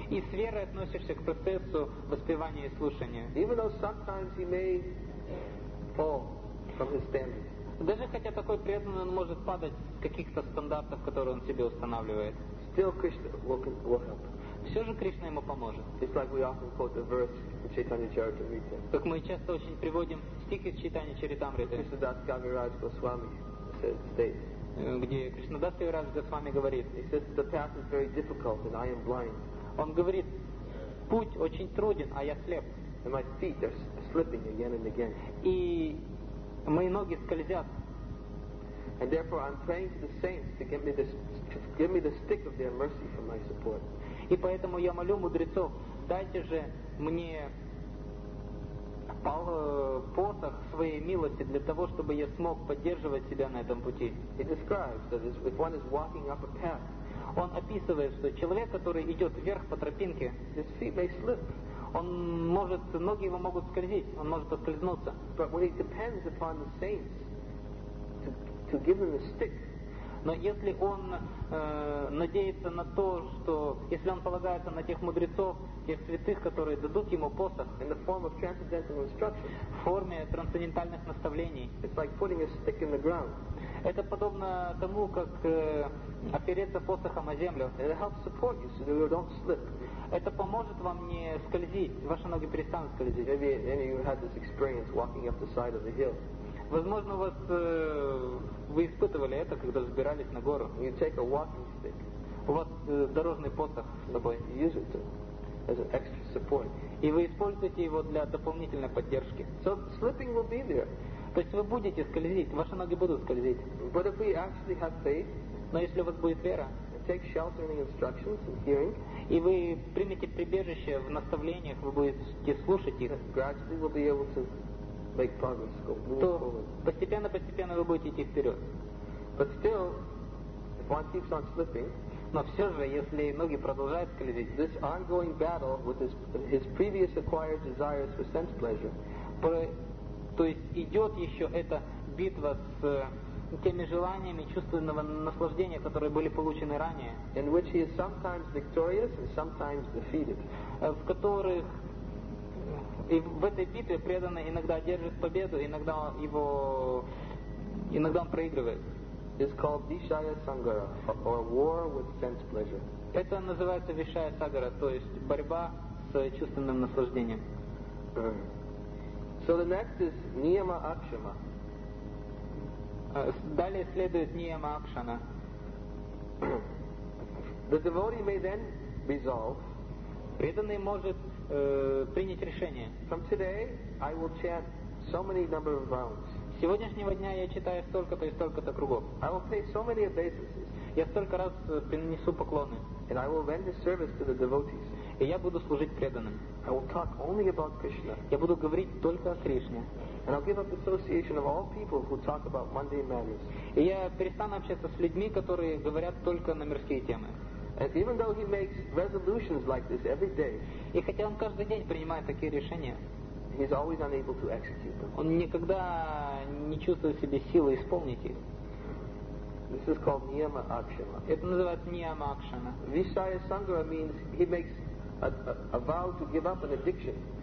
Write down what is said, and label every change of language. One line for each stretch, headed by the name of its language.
Russian: и с верой относишься к процессу воспевания и слушания,
English: even though sometimes he may fall from his standards.
Russian: Даже хотя такой преданный, он может падать с каких-то стандартов, которые он себе устанавливает.
English: Still Krishna will help.
Russian: Все же Кришна ему поможет.
English: It's like we often quote the verse in Chaitanya Charitamrita.
Russian: Как мы часто очень приводим стих из Чайтанья Чаритамриты.
English: Кришнадас Кавирадж Госвами states.
Russian: Где Кришнадас Кавирадж Госвами говорит.
English: He says the path is very difficult and I am blind.
Russian: Он говорит: путь очень труден, а я слеп.
English: And my feet are slipping again and again.
Russian: И мои ноги скользят.
English: And therefore I'm praying to the saints to give me the stick of their mercy for my support.
Russian: И поэтому я молю мудрецов: дайте же мне посох своей милости для того, чтобы я смог поддерживать себя на этом пути.
English: He describes that if one is walking up a path,
Russian: он описывает, что человек, который идет вверх по тропинке,
English: his feet may slip.
Russian: Он может, ноги его могут скользить, он может поскользнуться.
English: But when he depends upon the saints to give him a stick,
Russian: Но если он надеется на то, что если он полагается на тех мудрецов, тех святых, которые дадут ему посох
English: in the form of transcendental instruction,
Russian: в форме трансцендентальных наставлений,
English: it's like putting a stick in the ground.
Russian: Это подобно тому, как опереться посохом о землю.
English: It helps support you so that you don't slip.
Russian: Это поможет вам не скользить, ваши ноги перестанут скользить.
English: Maybe any of you had this experience walking up the side of the hill.
Russian: Возможно, вас, вы испытывали это, когда взбирались на гору.
English: You take a walking stick.
Russian: У вас дорожный посох с собой.
English: You use it to, as an extra support.
Russian: И вы используете его для дополнительной поддержки.
English: So slipping will be there.
Russian: То есть вы будете скользить, ваши ноги будут скользить.
English: But if we actually have faith,
Russian: но если у вас будет вера,
English: take shelter in the instructions and hearing,
Russian: и вы примете прибежище в наставлениях, вы будете слушать их,
English: gradually we'll be able to make progress, go forward.
Russian: Постепенно вы будете идти вперед.
English: But still, if one keeps on slipping,
Russian: но все же, если ноги продолжают скользить,
English: this ongoing battle with his previous acquired desires for sense pleasure,
Russian: то есть идет еще эта битва с теми желаниями чувственного наслаждения, которые были получены ранее,
English: in which he is sometimes victorious and sometimes defeated.
Russian: В которых и в этой битве преданный иногда одерживает победу, иногда он проигрывает.
English: It's called Vishaya Sangara, or war with sense pleasure.
Russian: Это называется Vishaya Sangara, то есть борьба с чувственным наслаждением.
English: So the next is Niyama Akshama.
Russian: Далее следует Niyama Akshana.
English: The devotee may then resolve.
Russian: Преданный может принять решение.
English: From today, I will chant so many number of rounds.
Russian: С сегодняшнего дня я читаю столько-то и столько-то кругов.
English: I will pay so many obeisances.
Russian: Я столько раз принесу поклоны.
English: And I will render service to the devotees.
Russian: И я буду служить преданным.
English: I will talk only about Krishna.
Russian: Я буду говорить только о Кришне.
English: And I'll give up association of all people who talk about mundane matters.
Russian: И я перестану общаться с людьми, которые говорят только на мирские темы.
English: And even though he makes resolutions like this every day,
Russian: и хотя он каждый день принимает такие решения,
English: he's always unable to execute them.
Russian: Он никогда не чувствует в себе силы исполнить их.
English: This is called Niyama Akshana.
Russian: Это называется Niyama Akshana.
English: Vishaya Sangara means he makes a vow to give up an addiction.